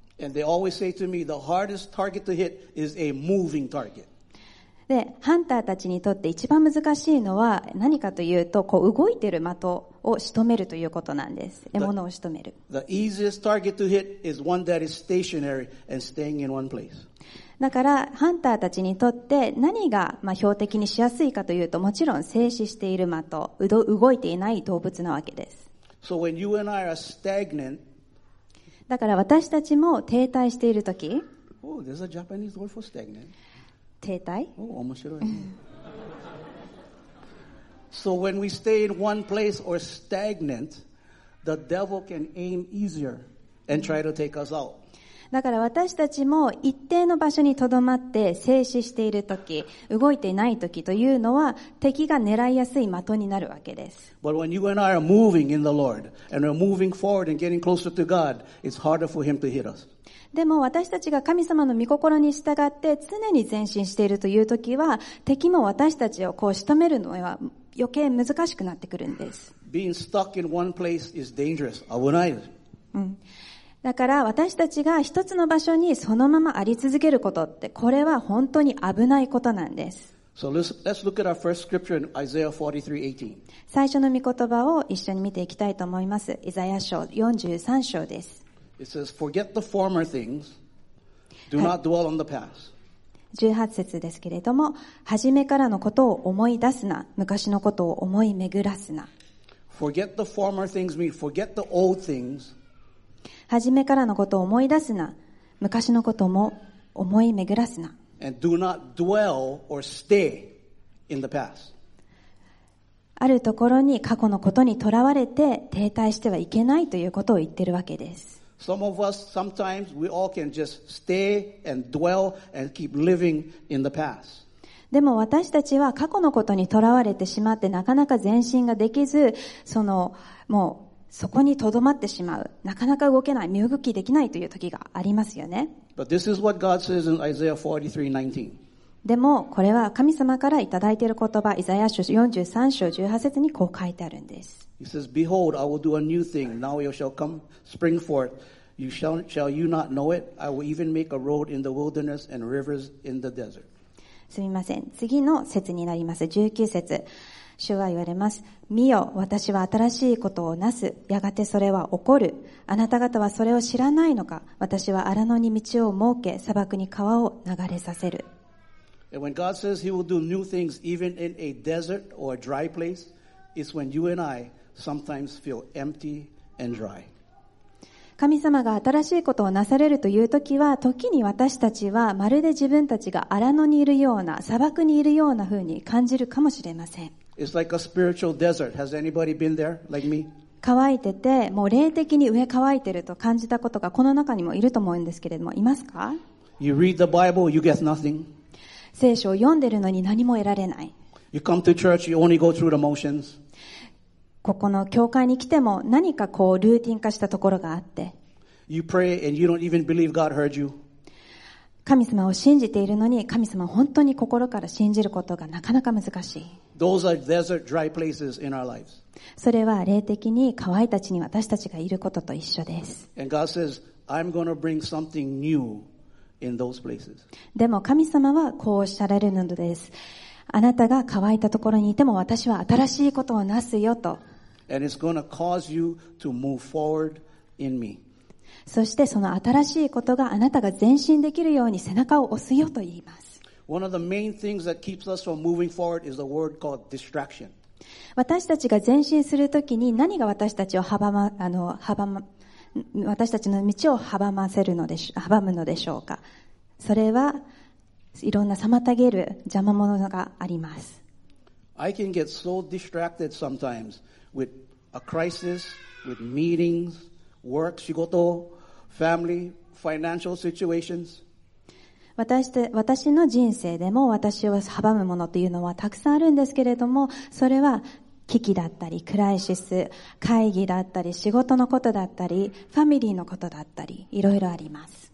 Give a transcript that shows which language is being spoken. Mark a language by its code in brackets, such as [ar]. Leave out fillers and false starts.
[en] And they always say to me, the hardest target to hit is a moving target. [ja] で、ハンターたちにとって一番難しいのは何かというと、こう動いている的を仕留めるということなんです。獲物を仕留める。 [en] The easiest target to hit is one that is stationary and staying in one place. [ja] だから、ハンターたちにとって何が、まあ、標的にしやすいかというと、もちろん静止している的、動いていない動物なわけです。 [en] So when you and I are stagnant, [ja] だから私たちも停滞しているとき、 [en] oh, there's a Japanese word for stagnant. [ja] 停滞、 oh, 面白いね。 [en] So when we stay in one place or stagnant, the devil can aim easier and try to take us out. [ja] だから私たちも一定の場所にとどまって静止しているとき、動いていないときというのは敵が狙いやすい的になるわけです。 [en] But when you and I are moving in the Lord and are moving forward and getting closer to God, it's harder for Him to hit us. [ja] でも私たちが神様の御心に従って常に前進しているというときは、敵も私たちをこう仕留めるのは余計難しくなってくるんです。 [en] Being stuck in one place is dangerous. I wouldn't. [ja] うん。だから私たちが一つの場所にそのままあり続けることって、これは本当に危ないことなんです。 [en] So let's look at our first scripture in Isaiah 43:18. [ja] 最初の御言葉を一緒に見ていきたいと思います。イザヤ書43章です。 [en] It says, forget the former things. Do not dwell on the past. [ja] 18節ですけれども、初めからのことを思い出すな。昔のことを思い巡らすな。 [en] Forget the former things means forget the old things. [ja] 初めからのことを思い出すな。昔のことも思い巡らすな。 [en] And do not dwell or stay in the past. [ja] あるところに過去のことにとらわれて停滞してはいけないということを言っているわけです。 [en] Some of us, sometimes we all can just stay and dwell and keep living in the past. [ja] でも私たちは過去のことにとらわれてしまってなかなか前進ができず、もうそこに留まってしまう。なかなか動けない。身動きできないという時がありますよね。 [en] But this is what God says in Isaiah 43:19. [ja] でも、これは神様からいただいている言葉、イザヤ書43章18節にこう書いてあるんです。 [en] He says, Behold, I will do a new thing. Now you shall come, spring forth. Shall you not know it? I will even make a road in the wilderness and rivers in the desert. [ja] すみません。次の節になります。19節。主は言われます。見よ、私は新しいことをなす。やがてそれは起こる。あなた方はそれを知らないのか。私は荒野に道を設け、砂漠に川を流れさせる。 [en] And when God says He will do new things even in a desert or a dry place, it's when you and I sometimes feel empty and dry. [ja] 神様が新しいことをなされるというときは、時に私たちはまるで自分たちが荒野にいるような、砂漠にいるような風に感じるかもしれません。 [en] It's like a spiritual desert. Has anybody been there, like me? [ja] 乾いてて、もう霊的に上乾いてると感じたことがこの中にもいると思うんですけれども、いますか？ [en] You read the Bible, you get nothing. [ja] 聖書を読んでるのに何も得られない。 [en] You come to church, you only go through the motions. [ja] ここの教会に来ても何かこうルーティン化したところがあって。 [en] You pray and you don't even believe God heard you. [ja] 神様を信じているのに、神様を本当に心から信じることがなかなか難しい。 [en] Those are desert, dry places in our lives. [ja] それは霊的に乾いた地に私たちがいることと一緒です。 [en] says, I'm gonna bring something new in those places. [ja] でも神様はこうおっしゃられるのです。あなたが乾いたところにいても私は新しいことをなすよと。 [en] And it's gonna cause you to move forward in me. [ja] そしてその新しいことがあなたが前進できるように背中を押すよと言います。 [en] One of the main things that keeps us from moving forward is a word called distraction. [ja] 私たちが前進するときに何が私たちを私たちの道を阻むのでしょうか。それはいろんな妨げる邪魔者があります。 [en] I can get so distracted sometimes with a crisis, with meetings, work, 仕事, family, financial situations. [ja] 私の人生でも私を阻むものというのはたくさんあるんですけれども、それは危機だったりクライシス会議だったり仕事のことだったりファミリーのことだったりいろいろあります。